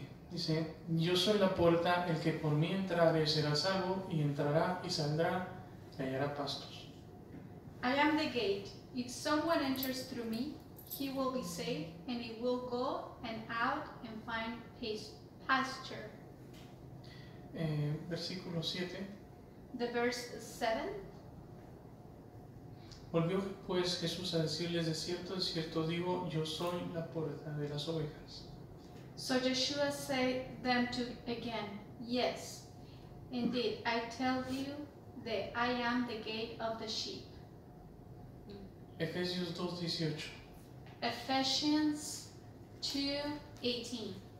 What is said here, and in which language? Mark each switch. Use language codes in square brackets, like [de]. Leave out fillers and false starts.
[es] Dice, yo soy la puerta, el que por mí entrare será salvo, y entrará y saldrá, y hallará pastos. [en] I am the gate. If someone enters through me, he will be saved, and he will go and out and find pasture. [es] Versículo 7. [en] The verse 7. [es] Volvió pues Jesús a decirles, de cierto digo, yo soy la puerta de las ovejas. [en] So Yeshua said them to again, yes, indeed, I tell you that I am the gate of the sheep. [es] Efesios 2:18. [en] Ephesians 2:18.